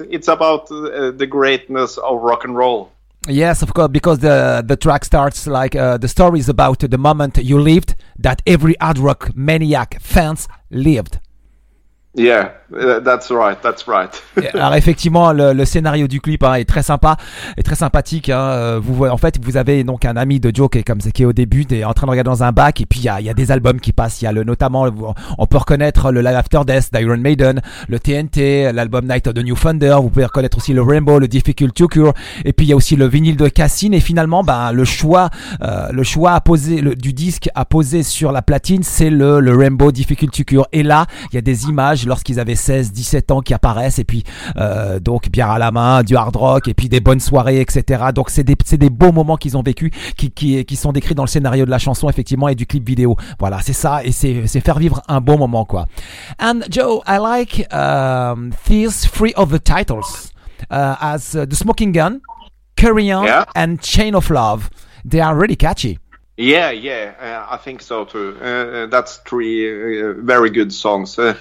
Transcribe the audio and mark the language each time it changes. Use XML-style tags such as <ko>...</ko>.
<en>It's about the greatness of rock and roll. Yes, of course, because the track starts like the story is about the moment you lived that every hard rock maniac fans lived. Yeah, that's right. Yeah,</en> <fr>alors effectivement, le scénario du clip hein, est très sympa, est très sympathique. Hein. Vous voyez, en fait, vous avez donc un ami de Joe qui est au début, est en train de regarder dans un bac, et puis il y a des albums qui passent. Il y a notamment, on peut reconnaître le Live After Death d'Iron Maiden, le TNT, l'album Night of the New Thunder. Vous pouvez reconnaître aussi le Rainbow, le Difficult to Cure, et puis il y a aussi le vinyle de Cassin. Et finalement, ben le choix du disque à poser sur la platine, c'est le Rainbow Difficult to Cure. Et là, il y a des images lorsqu'ils avaient 16-17 ans qui apparaissent, et puis donc bière à la main, du hard rock, et puis des bonnes soirées, etc. Donc c'est des beaux moments qu'ils ont vécu qui sont décrits dans le scénario de la chanson effectivement et du clip vidéo. Voilà, c'est ça, et c'est faire vivre un bon moment, quoi.</fr> <en>And Joe, I like these three of the titles as The Smoking Gun, Carry On, yeah, and Chain of Love. They are really catchy. Yeah, I think so too. That's three very good songs.</en>